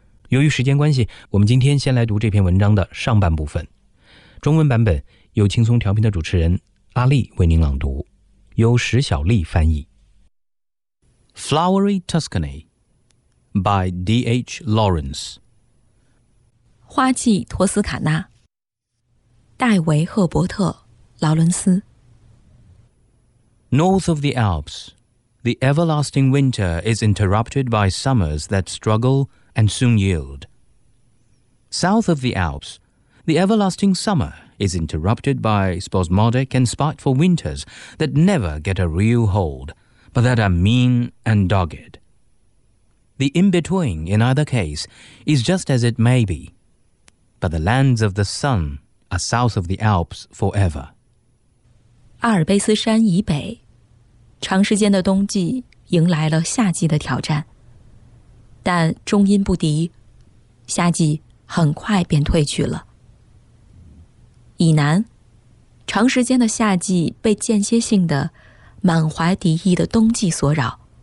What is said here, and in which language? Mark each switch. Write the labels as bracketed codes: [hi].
[zh] 由于时间关系，我们今天先来读这篇文章的上半部分，中文版本由轻松调频的主持人阿丽为您朗读，由石小丽翻译。 [en] Flowery Tuscany by D.H. Lawrence， [zh] 花季托斯卡纳，戴维·赫伯特·劳伦斯。 [en] North of the Alps, the everlasting winter is interrupted by summers that struggle and soon yield. South of the Alps,The everlasting summer is interrupted by spasmodic and spiteful winters that never get a real hold, but that are mean and dogged. The in-between, in either case, is just as it may be, but the lands of the sun are south of the Alps forever. [zh] 阿尔卑斯山以北，长时间的冬季迎来了夏季的挑战，但终因不敌，夏季很快便退去了。以南，长时间的夏季被间歇性的、满怀敌意的冬季所扰。